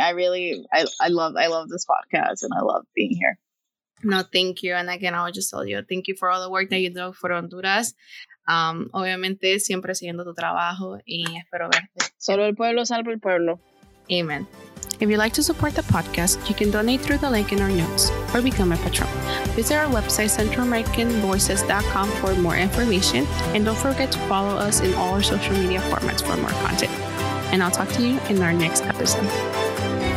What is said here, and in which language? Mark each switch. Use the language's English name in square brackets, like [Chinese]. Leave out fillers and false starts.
[English] I really, I love this podcast, and I love being here. No, thank you. And again, I will just tell you, thank you for all the work that you do for Honduras. [Spanish] Obviamente, siempre siguiendo tu trabajo, y espero verte. Solo el pueblo salva el pueblo. [English] Amen. If you'd like to support the podcast, you can donate through the link in our notes or become a patron. Visit our website, centralamericanvoices.com, for more information. And don't forget to follow us in all our social media formats for more content. And I'll talk to you in our next episode.